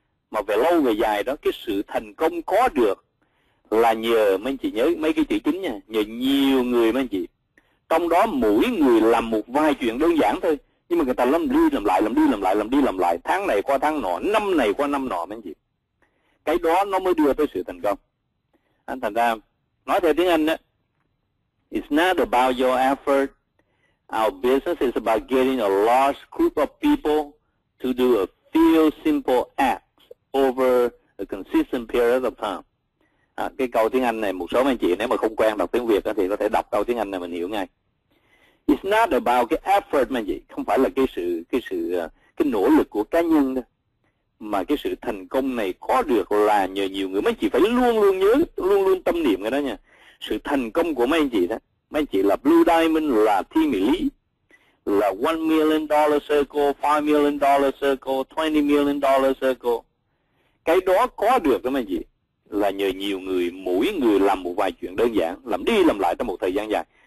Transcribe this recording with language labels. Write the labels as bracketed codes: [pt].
[vi] Mà về lâu về dài đó, cái sự thành công có được là nhờ, mấy anh chị nhớ mấy cái chữ chính nha, nhờ nhiều người mấy anh chị, trong đó mỗi người làm một vài chuyện đơn giản thôi, nhưng mà người ta làm đi làm lại, làm đi làm lại, làm đi làm lại, tháng này qua tháng nọ, năm này qua năm nọ mấy anh chị, cái đó nó mới đưa tới sự thành công. Anh thành ra nói theo tiếng Anh đó, [en] it's not about your effort, our business is about getting a large group of people to do a few simple acts over a consistent period of time. [vi] À, cái câu tiếng Anh này, một số anh chị nếu mà không quen đọc tiếng Việt đó, thì có thể đọc câu tiếng Anh này mình hiểu ngay. [en] It's not about [vi] cái effort mà gì, không phải là cái nỗ lực của cá nhân đó, mà cái sự thành công này có được là nhờ nhiều người. Mấy anh chị phải luôn luôn nhớ, luôn luôn tâm niệm cái đó nha. Sự thành công của mấy anh chị đó, mấy anh chị là Blue Diamond, là Thiên Mỹ Lý, là $1 million circle, $5 million circle, $20 million circle, cái đó có được đó mấy anh chị, là nhờ nhiều người, mỗi người làm một vài chuyện đơn giản, làm đi làm lại trong một thời gian dài.